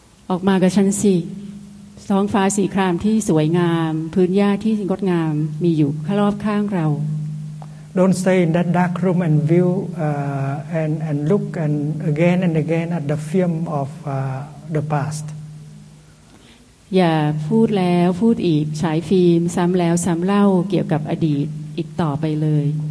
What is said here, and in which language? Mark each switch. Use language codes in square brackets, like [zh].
[th] ออกมากับฉันสิท้องฟ้าสีครามที่สวยงามพื้นหญ้าที่งดงามมีอยู่รอบข้างเรา [en] Don't stay in that dark room and view and look and again at the film of the past. [th] อย่าพูดแล้วพูดอีกฉายฟิล์มซ้ำแล้วซ้ำเล่าเกี่ยวกับอดีตอีกต่อไปเลย